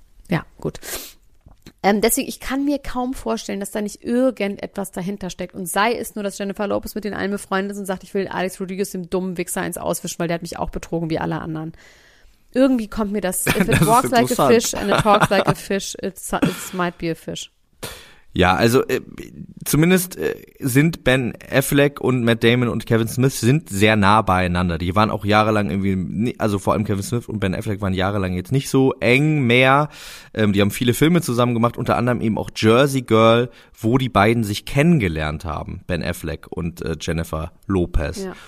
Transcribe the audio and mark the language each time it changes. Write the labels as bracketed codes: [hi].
[de] Ja, gut. Deswegen, ich kann mir kaum vorstellen, dass da nicht irgendetwas dahinter steckt. Und sei es nur, dass Jennifer Lopez mit den allen befreundet ist und sagt, ich will Alex Rodriguez dem dummen Wichser eins auswischen, weil der hat mich auch betrogen wie alle anderen. Irgendwie kommt mir das, [en] if it [de] das [en] walks like a fish and it talks like a fish, it might be a fish. [de] Ja, also zumindest sind Ben Affleck und Matt Damon und Kevin Smith sind sehr nah beieinander. Die waren auch jahrelang irgendwie, also vor allem Kevin Smith und Ben Affleck waren jahrelang jetzt nicht so eng mehr. Die haben viele Filme zusammen gemacht, unter anderem eben auch Jersey Girl, wo die beiden sich kennengelernt haben, Ben Affleck und Jennifer Lopez. Ja.